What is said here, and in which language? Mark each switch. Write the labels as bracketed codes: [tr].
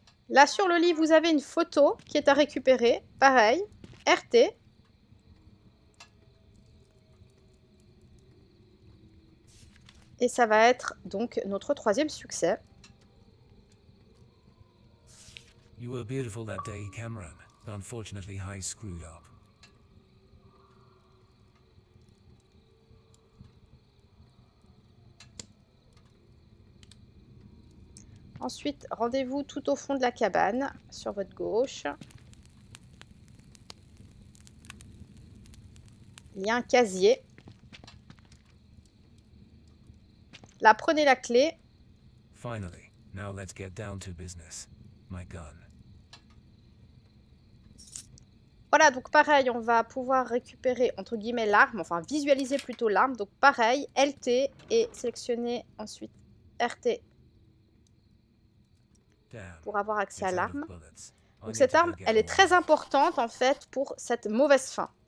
[fr] Là sur le lit, vous avez une photo qui est à récupérer. Pareil, RT. Et ça va être donc notre troisième succès. [en] You were beautiful that day, Cameron, but unfortunately, I screwed up. [fr] Ensuite, rendez-vous tout au fond de la cabane, sur votre gauche. Il y a un casier. Là, prenez la clé. [en] Finally, now let's get down to business. My gun. [fr] Voilà, donc pareil, on va pouvoir récupérer entre guillemets l'arme, enfin visualiser plutôt l'arme. Donc pareil, LT et sélectionner ensuite RT pour avoir accès à l'arme. Donc cette arme, elle est très importante en fait pour cette mauvaise fin.